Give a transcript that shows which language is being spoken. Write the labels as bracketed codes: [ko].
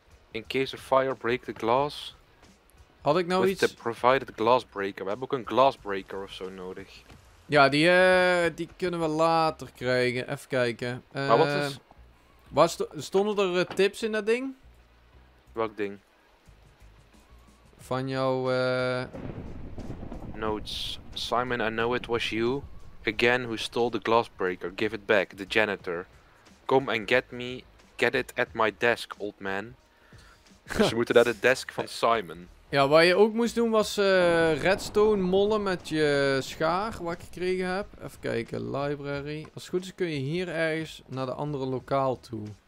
[en] In case of fire, break the glass. [nl] Had ik nou [en] with [nl] iets? [en] The provided glass breaker. [nl] We hebben ook een glass breaker of zo nodig. Ja, die kunnen we later krijgen. Even kijken. Maar wat is? Stonden er tips in dat ding? Welk ding? Van jouw [en] notes. Simon, I know it was you again who stole the glass breaker. Give it back, the janitor. Come and get me. Get it at my desk, old man. [nl] Dus we moeten naar de desk van Simon. Ja, wat je ook moest doen was redstone mollen met je schaar, wat ik gekregen heb. Even kijken, library. Als het goed is kun je hier ergens naar de andere lokaal toe.